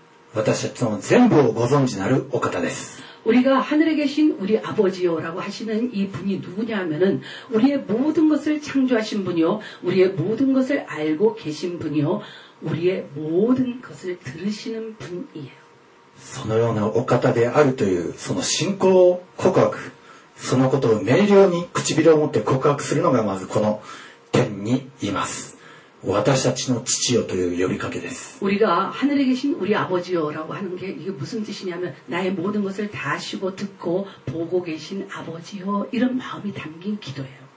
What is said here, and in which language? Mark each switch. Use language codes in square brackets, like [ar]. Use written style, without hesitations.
[ja] お父さんとは、私たち自身の似姿の源であり、私たちの性質の源である、そして私たちを作られた、私たちの全部をご存知なるお方です。 [ko] 우리가 하늘에 계신 우리 아버지요라고 하시는 이 분이 누구냐 하면은 우리의 모든 것을 창조하신 분이요, 우리의 모든 것을 알고 계신 분이요, 우리의 모든 것을 들으시는 분이에요. [ja] そのようなお方であるというその信仰告白、そのことを明瞭に唇を持って告白するのがまずこの天にいます。私たちの父よという呼びかけです。 [ko] 우리가 하늘에 계신 우리 아버지요라고 하는 게 이게 무슨 뜻이냐면 나의 모든 것을 다 아시고 듣고 보고 계신 아버지요 이런 마음이 담긴 기도예요.